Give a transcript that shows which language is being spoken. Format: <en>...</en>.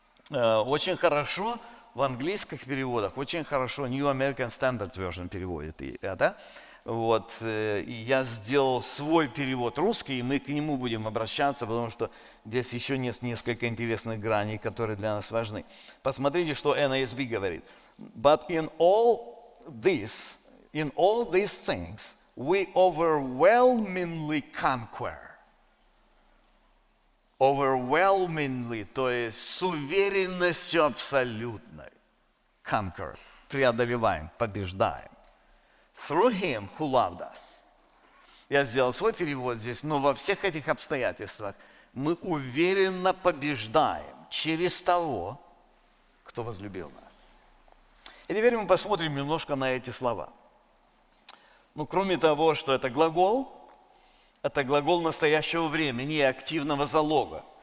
<ru>Очень хорошо в английских переводах, очень хорошо New American Standard Version переводит это. Вот, я сделал свой перевод русский, и мы к нему будем обращаться, потому что здесь еще есть несколько интересных граней, которые для нас важны. Посмотрите, что NASB говорит.</ru> <en>But in all these things, we overwhelmingly conquer.</en> <ru>Overwhelmingly, то есть с уверенностью абсолютной. Conquer, преодолеваем, побеждаем.</ru> <en>Through him who loved us.</en> <ru>Я сделал свой перевод здесь, но во всех этих обстоятельствах мы уверенно побеждаем через того, кто возлюбил нас. И теперь мы посмотрим немножко на эти слова. Ну, кроме того, что это глагол настоящего времени и активного залога.</ru>